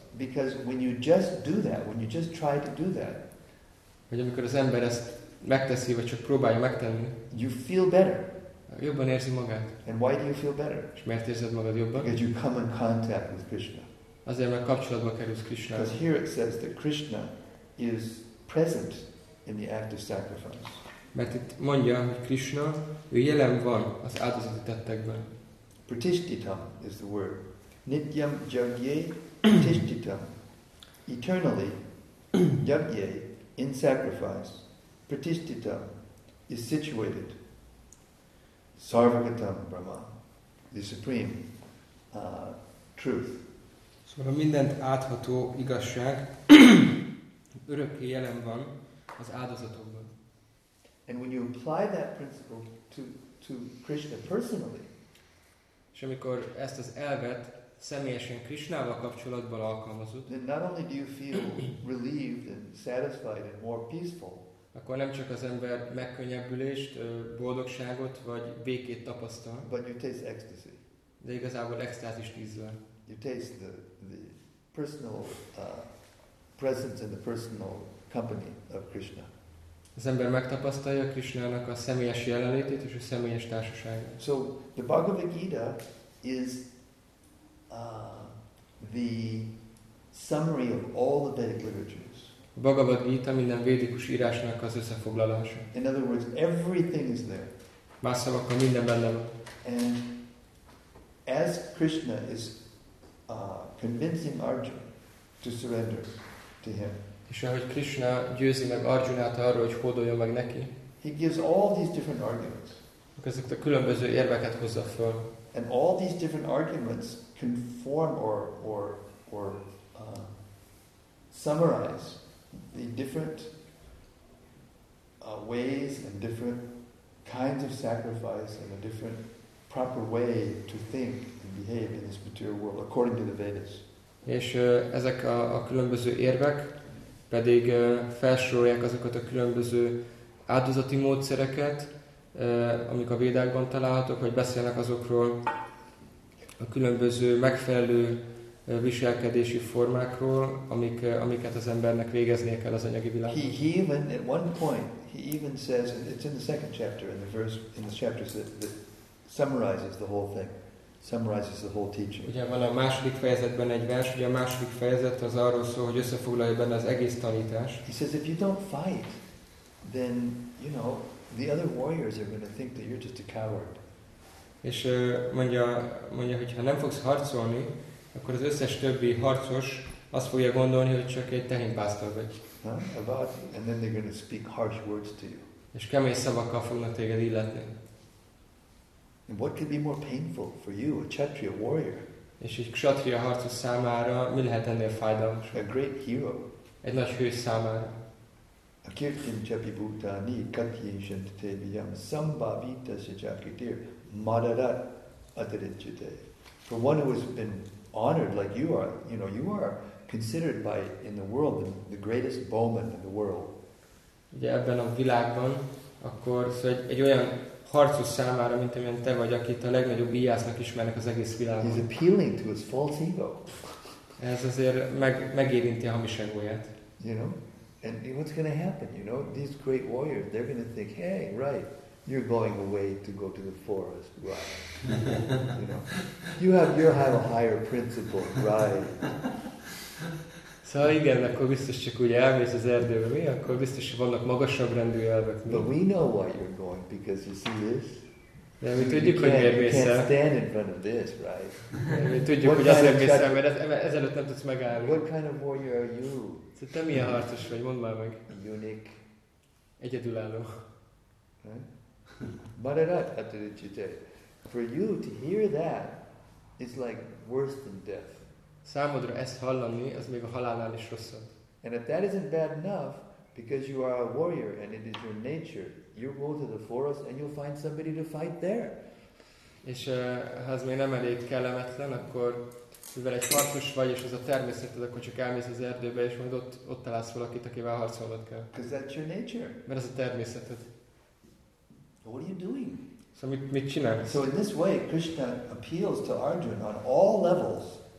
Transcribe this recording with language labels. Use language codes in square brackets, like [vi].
[en] Because when you just do that, when you just try to do that. [hu] Hogy amikor az ember ezt megteszi, vagy csak próbálja megtenni. [en] You feel better. [hu] Jobban érzi magát. [en] And why do you feel better? [hu] És miért érzed magad jobban? [en] Because you come in contact with Krishna. [hu] Azért, mert kapcsolatba kerülsz Krishnával. [en] Because here it says that Krishna is present in the act of sacrifice. [hu] Mert itt mondja, hogy Krishna, ő jelen van az áldozati tettekben. [en] Pratishthitam is the word. [sa] Nityam yagye pratishthitam. [en] Eternally, yagye, in sacrifice, pratishthitam, is situated. Sarvagatam Brahma, the supreme truth. [hu] Szóval a mindent átható igazság örökké jelen van az áldozatokban. [en] And when you apply that principle to Krishna personally, [hu] és amikor ezt az elvet személyesen Krishnával kapcsolatban alkalmazod, [en] then not only do you feel relieved and satisfied and more peaceful, [hu] akkor nem csak az ember megkönnyebbülést, boldogságot vagy békét tapasztal, [en] but you taste ecstasy. [hu] De igazából extázist ízlel. [en] You taste the personal presence and the personal company of Krishna. [hu] Az ember megtapasztalja Krishnának a személyes jelenlétét és a személyes társaságát. [en] So the Bhagavad Gita is the summary of all the Vedic literatures. [hu] A Bhagavad Gita minden védikus írásnak az összefoglalása. [en] In other words, everything is there. [hu] Más szavakkal minden benne van. [en] And as Krishna is convincing Arjuna to surrender to him, [hu] és ahogy Krishna győzi meg Arjunát arról, hogy hódoljon meg neki, [en] he gives all these different arguments. [hu] Ezeket a különböző érveket hozza föl. [en] And all these different arguments conform or summarize the different ways and different kinds of sacrifice and a different proper way to think and behave in this material world according to the Vedas. [hu] És ezek a különböző érvek pedig felsorolják azokat a különböző áldozati módszereket, amik a Védákban találhatók, hogy beszélnek azokról a különböző megfelelő viselkedési formákról, amiket az embernek végeznie kell az anyagi világban. [en] He even at one point he even says, it's in the second chapter, in the verse, in the chapter that summarizes the whole thing, summarizes the whole teaching. [hu] Ugye van a második fejezetben egy vers, ugye a második fejezet az arról szól, hogy összefoglalja benne az egész tanítás. [en] He says, if you don't fight, then you know the other warriors are going to think that you're just a coward. [hu] És mondja, hogy ha nem fogsz harcolni, akkor az összes többi harcos azt fogja gondolni, hogy csak egy tehénpásztor vagy. [en] And then they're going to speak harsh words to you. [hu] És kemény szavakkal fognak téged illetni. [en] And what could be more painful for you, a Kshatriya warrior? [hu] És egy Kshatriya harcos számára mi lehet ennél fájdalmas? [en] A great hero. [hu] Egy nagy hős számára. [sa] A kirtim chapi bhutani kathyin shantate viyam sambhavita shachakitir madarat adarichite. [en] For one who has been honored like you are, you know, you are considered by in the world the greatest bowman in the world. [hu] Ugye ebben a világban akkor szóval egy olyan harcos számára, mint amilyen te vagy, akit a legnagyobb íjásznak ismernek az egész világon. [en] He's appealing to his false ego. [hu] Ez azért megérinti a hamis egóját. [en] You know? And what's going to happen, you know? These great warriors, they're going to think, hey, right, you're going away to go to the forest, right? You know? You have a higher principle, right? [hu] Szóval igen, akkor biztos csak úgy elmész az erdőbe, mi? Akkor biztos, hogy vannak magasabb rendű elvek. Mi? [en] But we know why you're going, because you see this. [hu] De mi tudjuk, hogy miért mész el. [en] You can't stand in front of this, right? [hu] De mi tudjuk, hogy azért mész el, mert ezelőtt nem tudsz megállni. [en] What kind of warrior are you? [hu] Szóval te milyen harcos vagy, mondd már meg. [en] Unique. [hu] Egyedülálló. [en] Bharat, how did you say? For you to hear that, it's like worse than death. [hu] Számodra ezt hallani, az még a halálnál is rosszabb. [en] And if that isn't bad enough, because you are a warrior and it is your nature, you go to the forest and you'll find somebody to fight there. [hu] És ha ez még nem elég kellemetlen, akkor mivel egy harcos vagy, és ez a természeted, akkor csak elmész az erdőbe, és majd ott találsz valakit, akivel harcolnod kell. [en] Because that's your nature. [hu] Mert ez a természeted. [en] What are you doing? [hu] Szóval mit csinálsz? [en] So in this way, Krishna appeals to Arjuna on all levels.